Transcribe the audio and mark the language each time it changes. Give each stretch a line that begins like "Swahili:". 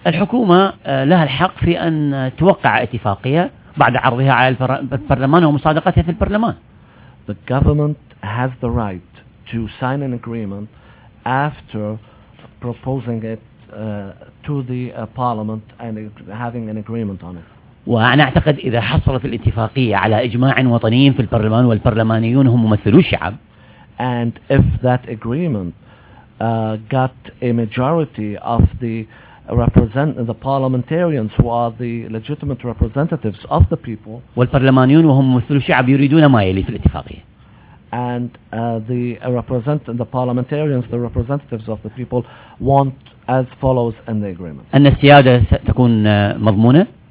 Arabic: الحكومة لها الحق في أن توقع اتفاقية بعد عرضها على البرلمان ومصادقتها في البرلمان.
English: The government has the right to sign an agreement after proposing it to the parliament and having an agreement on it.
Arabic: وأنا أعتقد إذا حصلت الاتفاقية على إجماع وطني في البرلمان والبرلمانيون هم ممثلو الشعب.
English: And if that agreement got a majority of the the parliamentarians who are the legitimate representatives of the people.
Arabic: والبرلمانيون وهم ممثلو الشعب يريدون ما يلي في الاتفاقية.
English: And the parliamentarians, the representatives of the people, want as follows in the agreement.
Arabic: أن السيادة ستكون مضمونة.